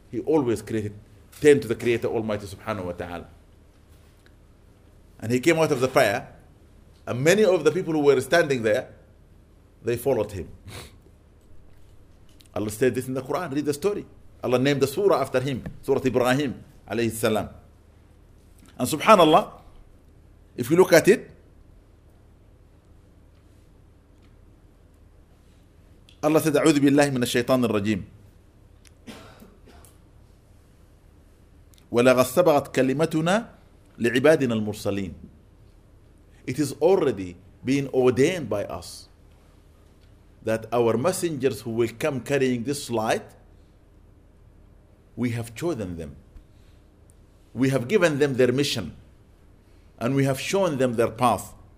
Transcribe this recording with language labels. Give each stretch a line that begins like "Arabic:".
English: He always turned to the Creator Almighty subhanahu wa ta'ala. And he came out of the fire, and many of the people who were standing there, they followed him. Allah said this in the Quran, read the story. Allah named the surah after him, Surah Ibrahim alayhi salam. And subhanallah, if you look at it, Allah said,
Arabic: أعوذ بالله من الشيطان الرجيم ولقد سبقت كلمتنا لعبادنا المرسلين.
English: It is already been ordained by us that our messengers who will come carrying this light, we have chosen them. We have given them their mission, and we have shown them their path.